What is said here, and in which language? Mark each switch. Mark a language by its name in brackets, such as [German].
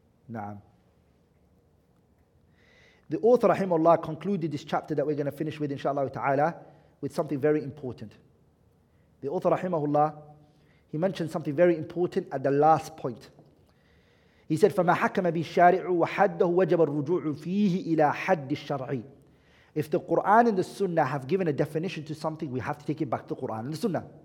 [Arabic] Naam. [English] The author, rahimahullah, concluded this chapter that we're going to finish with, inshallah ta'ala, with something very important. The author, rahimahullah, he mentioned something very important at the last point. He said, [Arabic] فَمَا حَكَمَ بِالشَّارِعُ وَحَدَّهُ وَجَبَ الرُّجُوعُ فِيهِ إِلَى حَدِّ الشَّرْعِ. [English] If the Qur'an and the Sunnah have given a definition to something, we have to take it back to the Qur'an and the Sunnah.